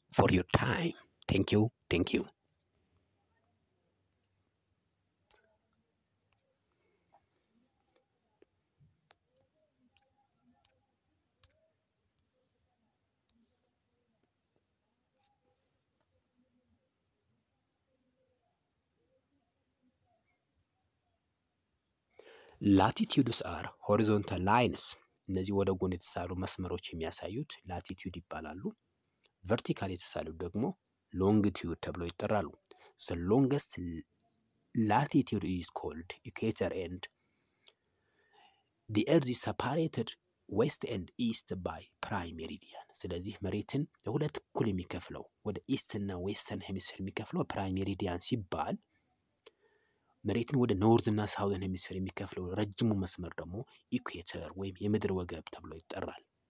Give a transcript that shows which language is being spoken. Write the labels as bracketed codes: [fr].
[en] your time Thank you Latitudes are horizontal lines. [am] እነዚህ ወደ ጎን የተሳሉ መስመሮች የሚያሳዩት latitude ይባላሉ. Vertical የተሳሉ ደግሞ longitude ተብሎ ይጠራሉ. [en] The longest latitude is called equator end. The earth is separated west and east by prime meridian. [am] ስለዚህ መሬትን ለሁለት እኩል የሚከፍለው ወደ east እና western hemisphere የሚከፍለው prime meridian ሲባል መሬትን ወደ ኖርዝ እና ሳውዘን ሄሚስፌር የሚከፍለው ረጅሙ መስመር ደግሞ ኢኩዌተር ወይም የምድር ወገብ ተብሎ ይጠራል